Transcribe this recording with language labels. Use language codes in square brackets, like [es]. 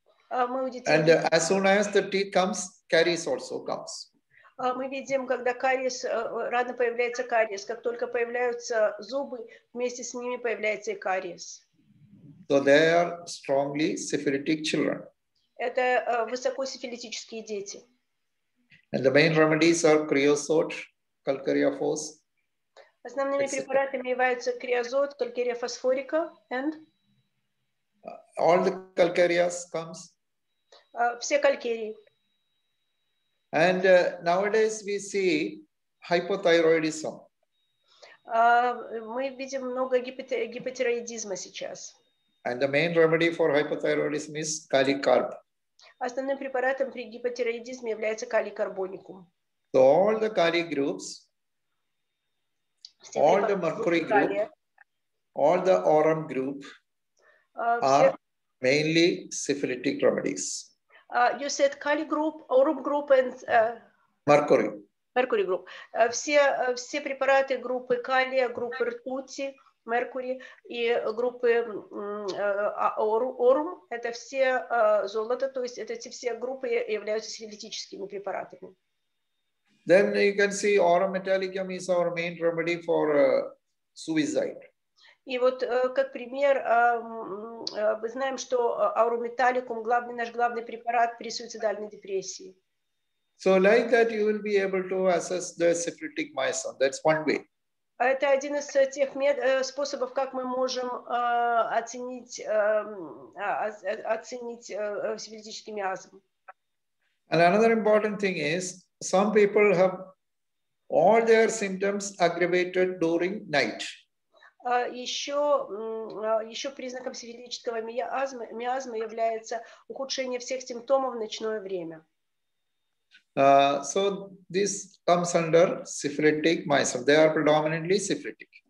[en] And as soon as the teeth comes, caries also comes. [ru] Мы видим, когда кариес, рано появляется кариес, как только появляются зубы, вместе с ними появляется и кариес. [en] So they are strongly syphilitic children. [ru] Это высокосифилитические дети. [en] And the main remedies are creosote, calcareafos. [ru] Основными препаратами являются креозот, calcarea фосфорика, and? [en] All the calcareas comes. [ru] Все калькерии. [en] And nowadays we see hypothyroidism. [ru] Мы видим много гипотироидизма сейчас. [en] And the main remedy for hypothyroidism is каликарб. [ru] Основным препаратом при гипотироидизме является каликарбоникум. [en] So all the кали groups, all the mercury group, all the aurum group are mainly syphilitic remedies. You said кали group, aurum group and mercury. Mercury group. [ru] Все препараты группы калия, группы ртути, Меркурий и группы Орум, это все золото, то есть это эти все группы являются сифилитическими препаратами. [en] Then you can see aurometallicum is our main remedy for suicide. [ru] И вот как пример, мы знаем, что aurometallicum главный наш главный препарат при суицидальной депрессии. [en] So like that you will be able to assess the septic myosin. That's one way. [ru] Это один из тех способов, как мы можем оценить септический миазм. [en] And another important thing is some people have all their symptoms aggravated during night. [ru] Еще признаком септического миазма является ухудшение всех симптомов в ночное время. [en] So this comes under syphilitic myosin. They are predominantly syphilitic.